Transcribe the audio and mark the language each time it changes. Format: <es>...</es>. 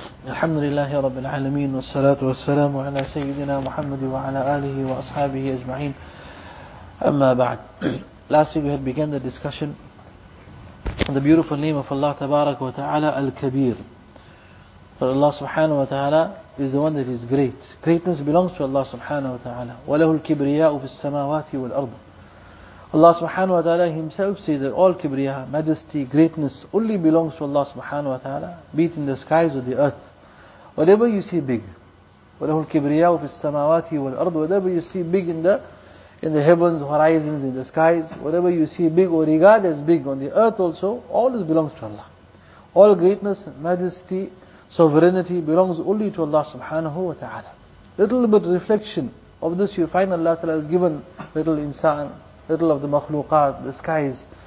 <ar>الحمد لله رب العالمين، والصلاة والسلام على سيدنا محمد وعلى آله وأصحابه أجمعين. أما بعد،</ar> <en>last week we had begun the discussion on the beautiful name of Allah</en> <ar>تبارك وتعالى الكبير.</ar> <en>For Allah subhanahu wa ta'ala is the one that is great. Greatness belongs to Allah subhanahu wa ta'ala.</en> <ar>وَلَهُ الْكِبْرِيَاءُ فِي السَّمَاوَاتِ وَالْأَرْضِ.</ar> <en>Allah subhanahu wa ta'ala himself says that all kibriya, majesty, greatness only belongs to Allah subhanahu wa ta'ala, be it in the skies or the earth. Whatever you see big,</en> <ar>وَلَهُ الْكِبْرِيَاءُ فِي السَّمَاوَاتِ وَالْأَرْضِ.</ar> <en>Whatever you see big in the heavens, horizons, in the skies, whatever you see big or regard as big on the earth also, all this belongs to Allah. All greatness, majesty, sovereignty belongs only to Allah subhanahu wa ta'ala. Little bit reflection of this you find Allah ta'ala has given little insan, little of the makhluqat, the skies.</en>